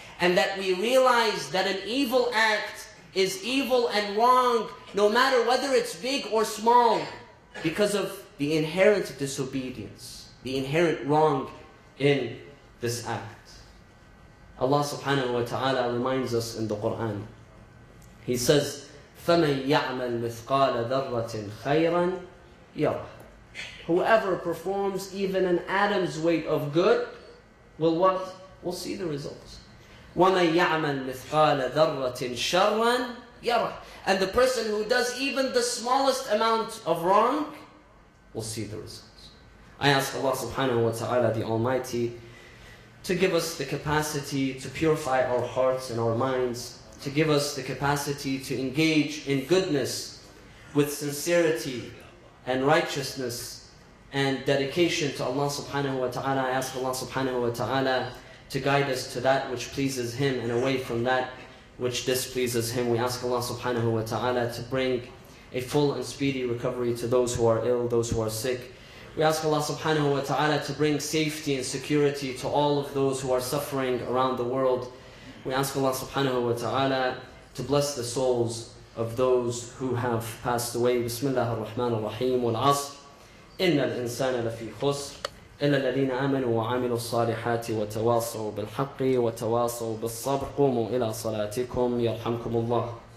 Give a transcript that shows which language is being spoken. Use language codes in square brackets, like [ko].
[en] And that we realize that an evil act is evil and wrong, no matter whether it's big or small, because of the inherent disobedience, the inherent wrong in this act. Allah subhanahu wa ta'ala reminds us in the Quran. [ar] He says, فَمَنْ يَعْمَلْ مِثْقَالَ ذَرَّةٍ خَيْرًا يَرَى. [en] Whoever performs even an atom's weight of good, will what? We'll see the results. [ar] وَمَنْ يَعْمَلْ مِثْقَالَ ذَرَّةٍ شَرًّا يَرَى. [en] And the person who does even the smallest amount of wrong, will see the results. I ask Allah subhanahu wa ta'ala, the Almighty, to give us the capacity to purify our hearts and our minds, to give us the capacity to engage in goodness with sincerity and righteousness and dedication to Allah subhanahu wa ta'ala. I ask Allah subhanahu wa ta'ala to guide us to that which pleases Him and away from that which displeases Him. We ask Allah subhanahu wa ta'ala to bring a full and speedy recovery to those who are ill, those who are sick. We ask Allah subhanahu wa ta'ala to bring safety and security to all of those who are suffering around the world. We ask Allah subhanahu wa ta'ala to bless the souls of those who have passed away. Bismillah ar-Rahman ar-Rahim. Wal asr. Inna al-insana lafi khusr. [ar] إلا الذين آمنوا وعملوا الصالحات وتواصوا بالحق وتواصوا بالصبر قوموا إلى صلاتكم يرحمكم الله